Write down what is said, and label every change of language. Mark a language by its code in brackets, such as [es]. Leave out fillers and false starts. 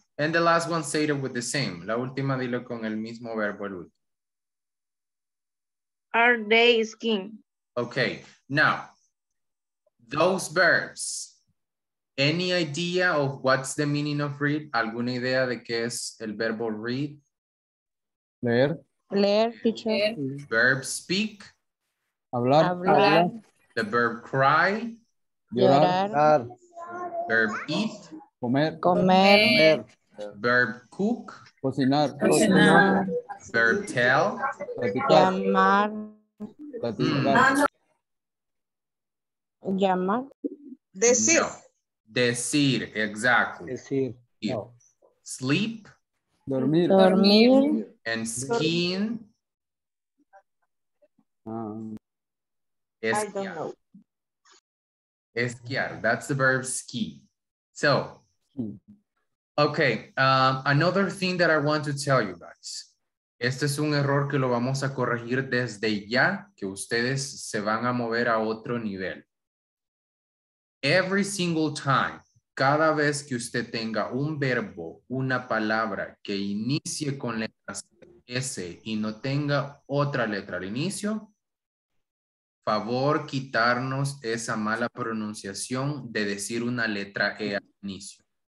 [en] And the last one, say it with the same. [es] La última, dilo con el mismo verbo. [en] Are they skiing? Okay, now, those verbs, any idea of what's the meaning of read? [es] ¿Alguna idea de qué es el verbo read? Leer. Leer, [en] teacher. Verb speak. [es] Hablar. [en] The verb cry. [es] Llorar. [en] Verb eat. [es] Comer. [en] Verb cook. [es] Cocinar. [en] Verb tell. [es] Llamar. Llamar. Decir. No. Decir, [en] exactly. [es] Decir. [en] No. Sleep. [es] Dormir. [en] And skin. Esquiar. That's the verb ski. So, okay. Another thing that I want to tell you guys. [es] Este es un error que lo vamos a corregir desde ya, que ustedes se van a mover a otro nivel. [en] Every single time, [es] cada vez que usted tenga un verbo, una palabra que inicie con letras S y no tenga otra letra al inicio, favor quitarnos esa mala pronunciación de decir una letra E al inicio.